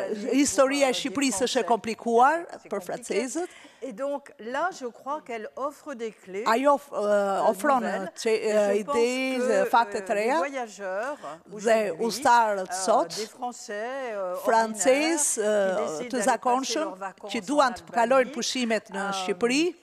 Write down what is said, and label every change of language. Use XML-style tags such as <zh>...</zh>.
<sq>Historia e Shqipërisë është e komplikuar për francezët.</sq> <fr>Et donc là, je crois qu'elle offre des clés.</fr> <sq>Ajo ofron idej, fakte të reja, dhe ustarët sot, francez të zakonshëm, që duan të kalojnë pushimet në Shqipëri,</sq>